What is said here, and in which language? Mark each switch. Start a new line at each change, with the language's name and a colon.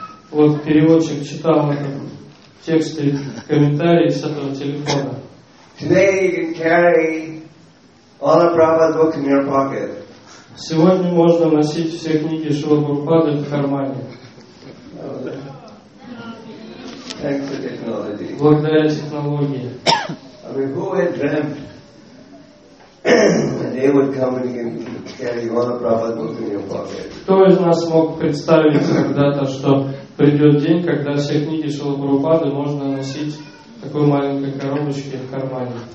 Russian: Вот переводчик читал тексты, комментарии с этого телефона.
English: Today you can carry all of Prabhupada's books in your pocket.
Russian: Сегодня можно носить все книги Шрилы Прабхупады в кармане.
English: Thanks to technology.
Russian: Благодаря технологии.
English: I mean, who had dreamt that they would come and can carry all of Prabhupada's books in your pocket?
Russian: Кто из нас мог представить когда-то, что придет день, когда все книги Шрилы Прабхупады можно носить в такой маленькой коробочке в кармане?